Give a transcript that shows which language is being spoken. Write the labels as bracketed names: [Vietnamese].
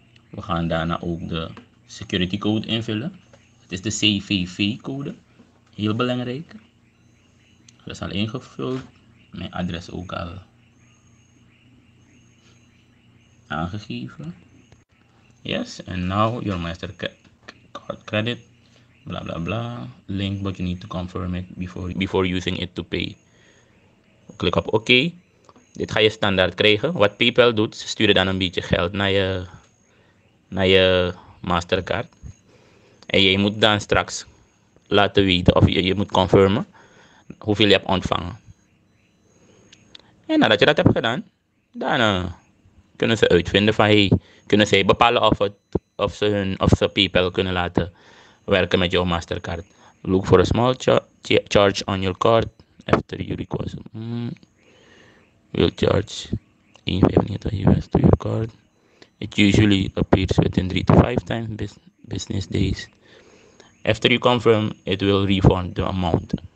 [Dutch] We gaan daarna ook de security code invullen. Het is de CVV code. Heel belangrijk. Dat is al ingevuld. Mijn adres ook al aangegeven. [English] Yes, and now your Mastercard credit, blah blah blah, link, but you need to confirm it before using it to pay. [Dutch] Klik op OK. Dit ga je standaard krijgen. Wat PayPal doet, ze sturen dan een beetje geld naar je Mastercard. En jij moet dan straks laten weten, of je moet confirmen hoeveel je hebt ontvangen. En nadat je dat hebt gedaan, dan kunnen ze uitvinden van, hey, kunnen zij bepalen of ze PayPal kunnen laten werken met jouw Mastercard. [English] Look for a small charge on your card after you request. We'll charge $1.50 to your card. It usually appears within 3 to 5 times business days. After you confirm, it will refund the amount.